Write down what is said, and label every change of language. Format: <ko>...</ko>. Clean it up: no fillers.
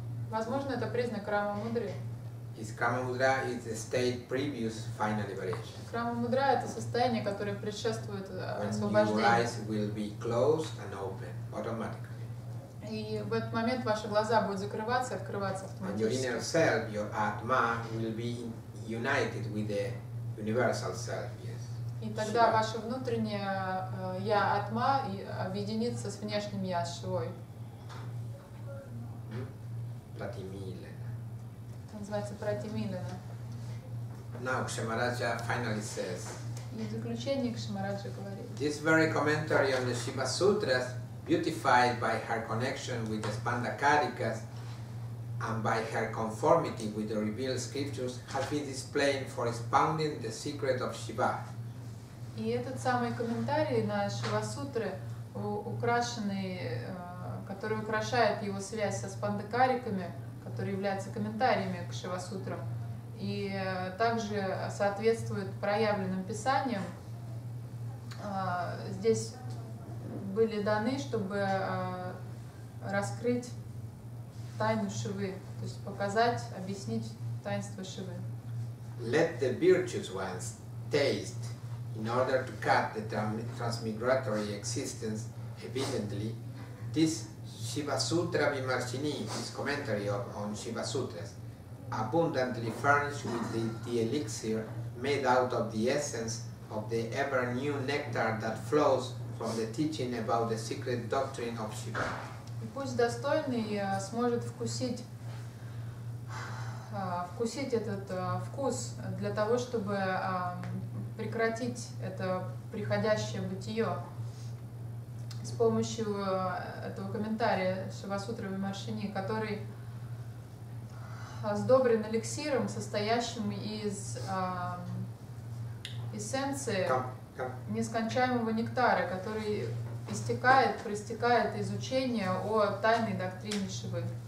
<ru>Возможно, это признак Крама Мудры.</ru> <en>Is Krama Mudra is the state previous final liberation.</en> <ru>Крама Мудра – это состояние, которое предшествует освобождению.</ru> <en>When your eyes will be closed and open automatically.</en> <ru>И в этот момент ваши глаза будут закрываться и открываться автоматически.</ru> <en>And your inner self, your Atma, will be united with the universal self, yes.</en> <ru>И тогда Shiva. Ваше внутреннее Я, Атма, объединится с внешним Я, с Шивой.</ru> <sa>Pratimilana.</sa> <ru>Это называется Pratimilana.</ru> <en>Now Кшемараджа finally says.</en> <ru>И в заключение Кшемараджа говорит.</ru> <en>This very commentary on the Shiva Sutras, beautified by her connection with the Spandakarikas and by her conformity with the revealed scriptures, has been displayed for expounding the secret of Shiva.</en> <ru>И этот самый комментарий на Шива Сутры, украшенный который украшает его связь со спандекариками, которые являются комментариями к Шивасутрам, и также соответствует проявленным писаниям. Здесь были даны, чтобы раскрыть тайну Шивы, то есть показать, объяснить таинство Шивы.</ru> <en>Let the virtuous ones taste in order to cut the transmigratory existence evidently. This Shiva Sutra Vimarsini, this commentary on Shiva Sutras, abundantly furnished with the elixir made out of the essence of the ever new nectar that flows from the teaching about the secret doctrine of Shiva.</en> <ru>И пусть достойный сможет вкусить этот вкус для того, чтобы прекратить это приходящее бытие. С помощью этого комментария Шивасутра Вимаршини, который сдобрен эликсиром, состоящим из эссенции нескончаемого нектара, который истекает, проистекает из учения о тайной доктрине Шивы.</ru>